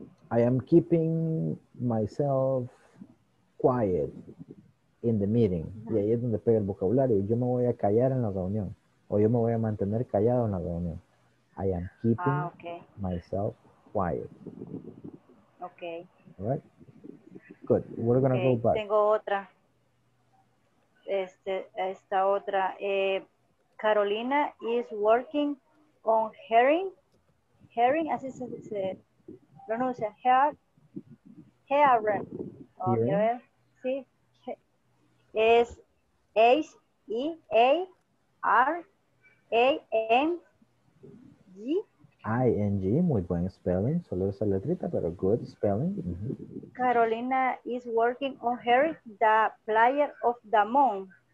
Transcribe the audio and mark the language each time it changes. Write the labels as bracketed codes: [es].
[en] I am keeping myself quiet in the meeting. [es] Y ahí es donde pega el vocabulario. Yo me voy a callar en la reunión. O yo me voy a mantener callado en la reunión. [en] I am keeping myself quiet. Okay. All right. Good. We're going to go back. [es] Tengo otra. Esta otra. [en] Carolina is working on hearing, [es] así se pronuncia, [en] hearing. [es] Okay, a ver, sí, es H-E-A-R-A-N-G. I-N-G, muy buen spelling, solo esa letrita, pero good spelling. Mm-hmm. [en] Carolina is working on hearing the player of the month.